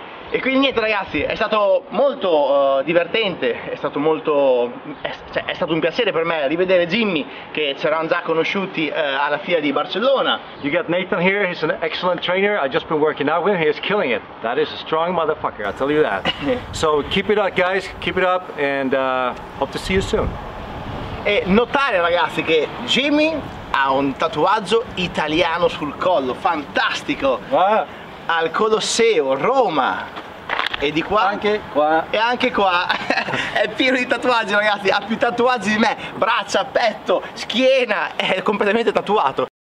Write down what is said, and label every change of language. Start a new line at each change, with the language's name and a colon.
Italian: E quindi niente ragazzi, è stato molto divertente, è stato un piacere per me rivedere Jimmy, che ci eravamo già conosciuti alla FIA di Barcellona.
English: You got Nathan here, he's an excellent trainer, I've just been working out with him, he is killing it. That is a strong motherfucker, I tell you that. So keep it up guys, keep it up and hope to see you soon.
Italian: E notare ragazzi che Jimmy ha un tatuaggio italiano sul collo, fantastico! Al Colosseo, Roma, e di qua anche qua e anche qua è pieno di tatuaggi ragazzi, ha più tatuaggi di me, braccia, petto, schiena, è completamente tatuato.